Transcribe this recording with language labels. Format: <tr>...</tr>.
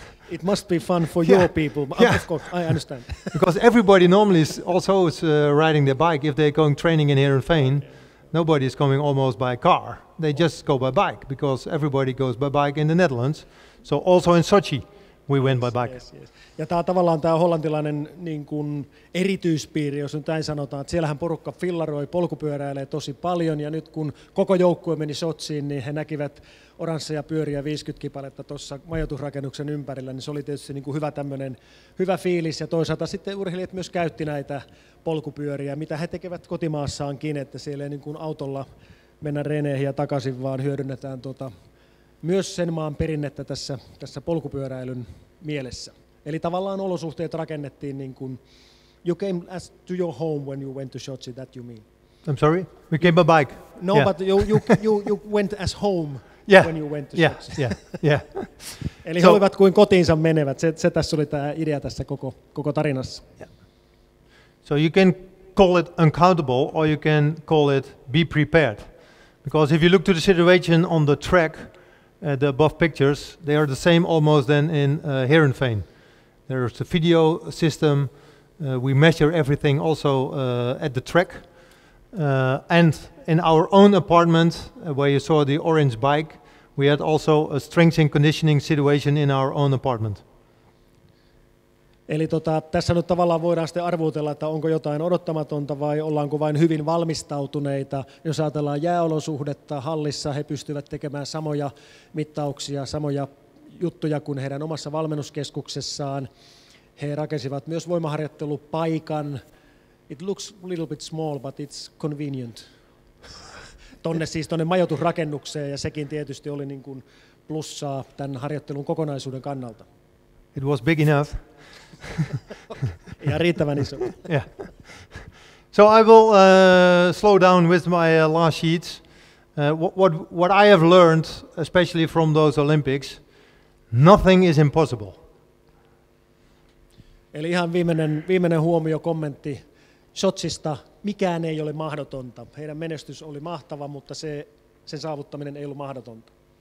<en>It must be fun for your people. Yeah. Of course, I understand. Because everybody normally is also riding their bike. If they're going training in here in Fane, nobody is coming almost by car. They just go by bike because everybody goes by bike in the Netherlands. So also in Sochi, We went by bike. Yes.</en> <fi>Ja tää tavallaan tää hollantilainen niin kuin erityispiiri, jos nyt näin sanotaan, että siellähän porukka fillaroi, polkupyöräilee tosi paljon, ja nyt kun koko joukkue meni Sotsiin, niin he näkivät oransseja pyöriä 50 kipaletta tuossa majoitusrakennuksen ympärillä, niin se oli tietysti niin kuin hyvä tämmöinen hyvä fiilis, ja toisaalta sitten urheilijat myös käytti näitä polkupyöriä, mitä he tekevät kotimaassaankin, että siellä ei niin kuin autolla mennä reeneihin ja takaisin, vaan hyödynnetään tuota myös sen maan perinnettä tässä polkupyöräilyn mielessä. Eli tavallaan olosuhteet rakennettiin niin kuin</fi> <en>you came as to your home when you went to Sotsi, that you mean. I'm sorry, we came by bike. No, yeah. But you went as home when you went to Sotsi. Yeah.</en> <fi>Eli so, he olivat kuin kotiinsa menevät. Se tässä oli tämä idea tässä koko tarinassa.</fi> <en>Yeah. So you can call it uncountable or you can call it be prepared. Because if you look to the situation on the track, the above pictures, they are the same almost than in Heerenveen. There's a video system, we measure everything also at the track. And in our own apartment, where you saw the orange bike, we had also a strength and conditioning situation in our own apartment.</en> <fi>Eli tässä nyt tavallaan voidaan sitten arvuutella, että onko jotain odottamatonta vai ollaanko vain hyvin valmistautuneita. Jos ajatellaan jääolosuhdetta hallissa, he pystyvät tekemään samoja mittauksia, samoja juttuja kuin heidän omassa valmennuskeskuksessaan. He rakensivat myös voimaharjoittelupaikan.</fi> <en>It looks a little bit small, but it's convenient.</en> <fi>Tonne majoitusrakennukseen, ja sekin tietysti oli niin kuin plussaa tämän harjoittelun kokonaisuuden kannalta.</fi> <en>It was big enough.</en> <fi>Ja riittävän iso.</fi> <en>Yeah. So I will slow down with my last sheets. What I have learned, especially from those Olympics, nothing is impossible.</en> <fi>Eli ihan viimeinen huomio, kommentti Sotsista. Mikään ei ole mahdotonta. Heidän menestys oli mahtava, mutta sen saavuttaminen ei ollut mahdotonta.</fi>